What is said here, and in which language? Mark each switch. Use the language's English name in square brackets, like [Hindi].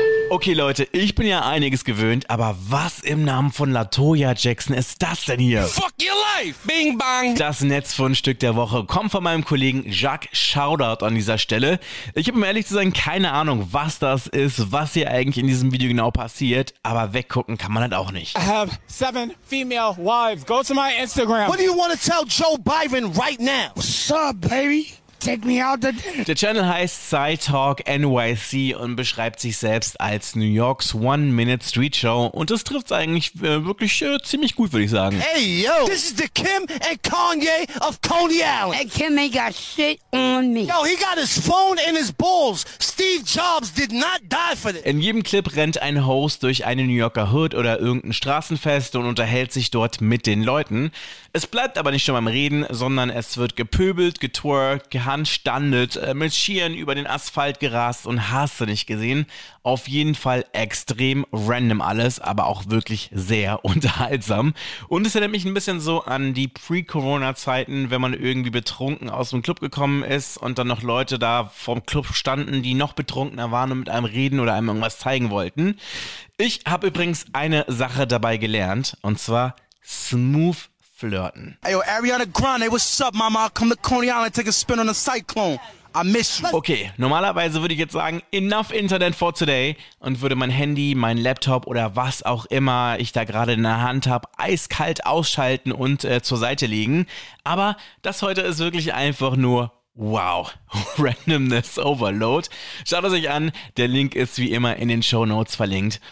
[German] Okay, Leute, ich bin ja einiges gewöhnt, aber was im Namen von LaToya Jackson ist das denn hier? [English] Fuck your life! Bing bang! [German] Das Netzfundstück der Woche kommt von meinem Kollegen Jacques Shoutout an dieser Stelle. Ich habe, um ehrlich zu sein, keine Ahnung, was das ist, was hier eigentlich in diesem Video genau passiert, aber weggucken kann man halt auch nicht. [English] I have 7 female wives. Go to my Instagram. What do you want to tell Joe Biden right now? What's up, baby? Take me out the... [German] Der Channel heißt SciTalk NYC und beschreibt sich selbst als New Yorks One-Minute-Street-Show. Und das trifft es eigentlich wirklich ziemlich gut, würde ich sagen. [English] Hey, yo! This is the Kim and Kanye of Coney Island. And Kim ain't got shit on me. Yo, he got his phone in his balls. Steve Jobs did not die for this. [German] In jedem Clip rennt ein Host durch eine New Yorker Hood oder irgendein Straßenfest und unterhält sich dort mit den Leuten. Es bleibt aber nicht nur beim Reden, sondern es wird gepöbelt, getwerkt, gehandstandet, mit Skiern über den Asphalt gerast und hast du nicht gesehen. Auf jeden Fall extrem random alles, aber auch wirklich sehr unterhaltsam. Und es erinnert mich ein bisschen so an die Pre-Corona-Zeiten, wenn man irgendwie betrunken aus dem Club gekommen ist und dann noch Leute da vorm Club standen, die noch betrunkener waren und mit einem reden oder einem irgendwas zeigen wollten. Ich habe übrigens eine Sache dabei gelernt, und zwar smooth flirten. [English] Ayo, Ariana Grande, what's up, mama? I'll come to Coney Island, take a spin on a cyclone. I miss you. [German] Okay, normalerweise würde ich jetzt sagen, [English] enough Internet for today [German] und würde mein Handy, mein Laptop oder was auch immer ich da gerade in der Hand habe, eiskalt ausschalten und zur Seite legen. Aber das heute ist wirklich einfach nur wow. [English] Randomness Overload. [German] Schaut es euch an, der Link ist wie immer in den Shownotes verlinkt.